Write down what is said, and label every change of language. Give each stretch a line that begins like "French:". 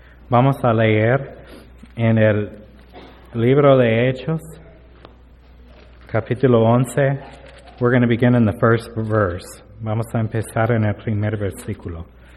Spanish: Vamos a leer en el libro de Hechos, capítulo 11.
English: We're going to begin in the first verse.
Spanish: Vamos a empezar en el primer versículo.